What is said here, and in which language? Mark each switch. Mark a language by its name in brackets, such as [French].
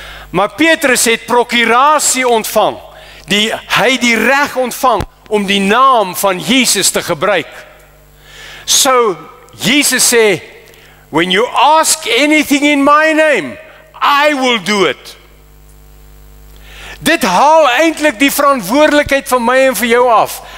[Afrikaans] Maar Petrus het prokurasie ontvang. Hy die reg ontvang om die naam van Jesus te gebruik. So, Jesus sê, [English] when you ask anything in my name, I will do it. [Afrikaans] Dit haal eindelijk die verantwoordelikheid van my en van jou af.